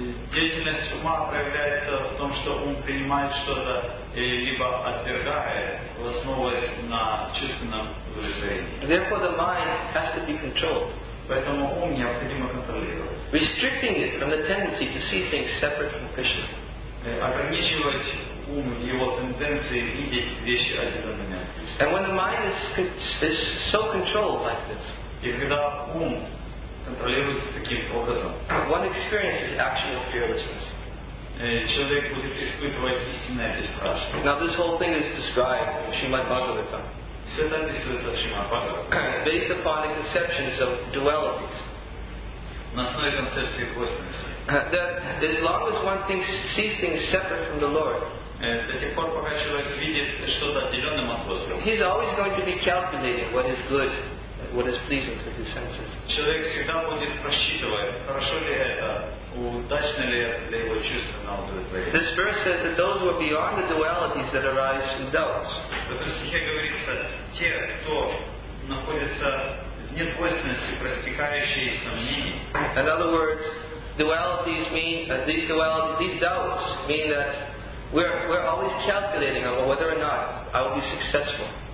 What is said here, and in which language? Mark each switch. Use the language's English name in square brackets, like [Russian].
[Russian] Деятельность ума проявляется в том, что ум принимает что-то, либо отвергает, основываясь на чувственном удовлетворении. [English] Therefore, the mind has to be controlled. [Russian] Поэтому ум необходимо контролировать. [English] Restricting it from the tendency to see things separate from Krishna. [Russian] Ограничивать ум в его тенденции видеть вещи отдельными от Krishna. [English] And when the mind is so controlled like this, [Russian] и когда ум контролируется таким образом, [English] one experiences actual fearlessness. [Russian] Человек будет испытывать истинное бесстрашие. [English] Now this whole thing is described in Shrimad Bhagavatam. [Russian] Все это описывается в Shrimad Bhagavatam. [English] Based upon the conceptions of dualities. [Russian] На основе концепции двойственности. [English] That as long as one sees things separate from the Lord, [Russian] до тех пор, пока человек видит что-то отделенным от Господа, [English] he's always going to be calculating what is good, what is pleasing to his senses. [Russian] Человек всегда будет просчитывать, хорошо ли это, удачно ли это для его чувства на удовлетворение. [English] This verse says that those who are beyond the dualities that arise from doubts. [Russian] В этом стихе говорится, те, кто находится в недвойственности, простекающие сомнения. [English] In other words, dualities mean these doubts mean that we're always calculating on whether or not I will be successful.